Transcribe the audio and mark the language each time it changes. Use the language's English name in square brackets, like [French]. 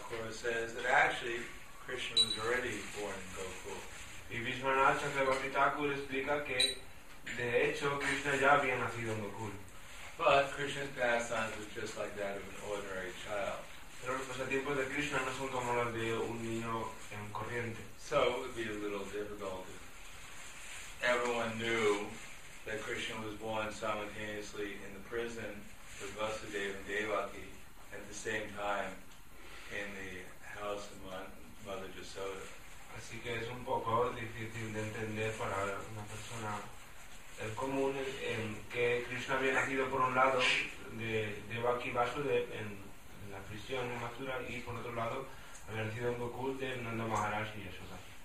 [English] Says that actually Krishna was already born in Gokul. [Spanish] Y Vishwanatha Chakravarti Thakur explica que De hecho, Krishna ya había nacido en Gokul. [English] But Krishna's pastimes were just like that of an ordinary child. [Spanish] Pero los pasatiempos de Krishna no son como los de un niño en corriente. [English] So it would be a little difficult if everyone knew that Krishna was born simultaneously in the prison with Vasudeva and Devaki at the same time in the house of Mother Yasoda. [Spanish] Así que es un poco difícil de entender para una persona el común en que Krishna había nacido por un lado de Devaki Vasudev en la prisión en Mathura y por otro lado había nacido en Gokul de Nanda Maharaj y Yashoda.